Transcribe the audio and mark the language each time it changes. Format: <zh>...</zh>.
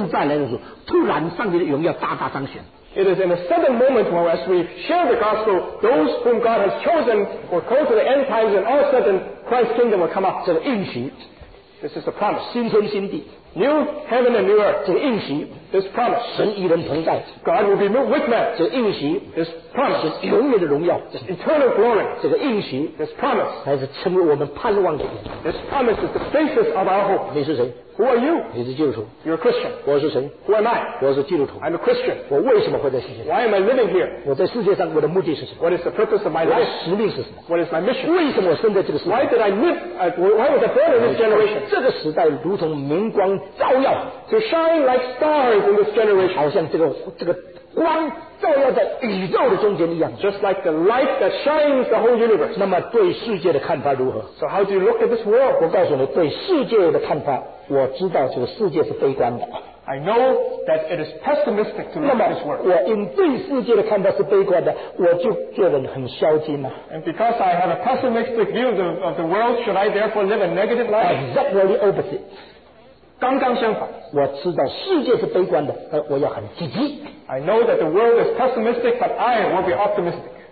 <zh>地上的国要变成基督的国，是福音传。到末世的时候，神的选民仍然是神的选民，但是神的儿子耶稣再来的时候，突然上帝的荣耀大大彰显。</zh> <en>It is in a sudden moment where as we share the gospel, those whom God has chosen will come to the end times and all of a sudden Christ's kingdom will come up.</en> <zh>这个应许,</zh> <en>this is the promise.</en> <zh>新天新地,</zh> <en>new heaven and new earth.</en> <zh>这个应许,</zh> <en>this promise.</en> <zh>神与人同在,</zh> <en>God will be with man.</en> <zh>这个应许,</zh> <en>this promise.</en> <zh>永远的荣耀,</zh> <en>this eternal glory.</en> <zh>这个应许,</zh> <en>this promise.</en> <zh>还是成为我们盼望的,</zh> <en>this promise is the basis of our hope.</en> <zh>你是谁?</zh> <en>Who are you?</en> <zh>你是基督徒?</zh> <en>You're a Christian.</en> <zh>我是谁?</zh> <en>Who am I?</en> <zh>我是基督徒.</zh> <en>I'm a Christian.</en> <zh>我为什么会在世界上?</zh> <en>Why am I living here?</en> <zh>我在世界上我的目的是什么?</zh> <en>What is the purpose of my life?</en> <zh>我的使命是什么?</zh> <en>What is my mission?</en> <zh>为什么我生在这个世界?</zh> <en>Why did I live? Why was I born in this generation?</en> <zh>这个时代如同明光照耀,</zh> <en>to shine like stars in this generation.</en> <zh>好像这个光, 照耀在宇宙的中间一样,</zh> <en>just like the light that shines the whole universe.</en> <zh>那么对世界的看法如何?</zh> <en>So how do you look at this world?</en> <zh>我告诉你, 对世界的看法, 我知道这个世界是悲观的。</zh> <en>I know that it is pessimistic to look at this world.</en> <zh>我因对世界的看法是悲观的, 我就觉得很消极嘛。</zh> <en>And because I have a pessimistic view of the world, should I therefore live a negative life? Exactly opposite.</en> <zh>刚刚相反, 我知道世界是悲观的, 我要很积极。</zh> <en>I know that the world is pessimistic, but I will be optimistic.</en>